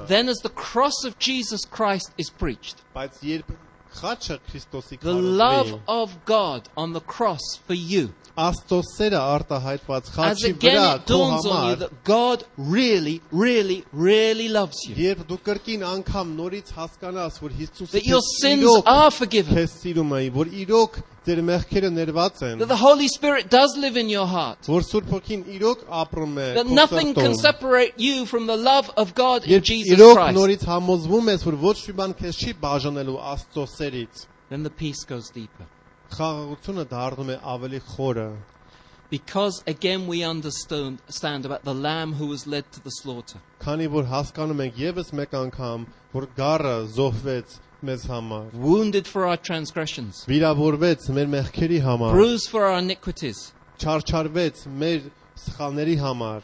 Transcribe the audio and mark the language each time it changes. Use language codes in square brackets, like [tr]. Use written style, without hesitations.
[en] But then as the cross of Jesus Christ is preached. [hy] Բայց երբ խաչը Քրիստոսի կարգվի. [en] The love of God on the cross for you. [hy] Աստծո սերը արտահայտված խաչի վրա քո համար. [en] As again it dawns on you that God really, really, really loves you. [hy] Երբ դու կրկին անգամ նորից հասկանաս, որ Հիսուսը քեզ սիրում է, [en] that your sins are forgiven. [hy] Քեզ սիրում է, որ իրոք ձեր մեղքերը ներված են. [en] That the Holy Spirit does live in your heart. [hy] Որ Սուրբ Հոգին իրոք ապրում է քո սրտում. [en] That nothing can separate you from the love of God in Jesus Christ. [hy] Իրոք նորից համոզվում ես, որ ոչ մի բան քեզ չի բաժանելու Աստծո սերից. [en] Then the peace goes deeper. [hy] Խաղաղությունը դառնում է ավելի խորը. [en] Because again we understand about the lamb who was led to the slaughter. [hy] Քանի որ հասկանում ենք եւս մեկ անգամ, որ գառը զոհվեց մեզ համար. [en] Wounded for our transgressions. [hy] Վիրավորվեց մեր մեղքերի համար. [en] Bruised for our iniquities. [hy] Չարչարվեց մեր սխալների համար.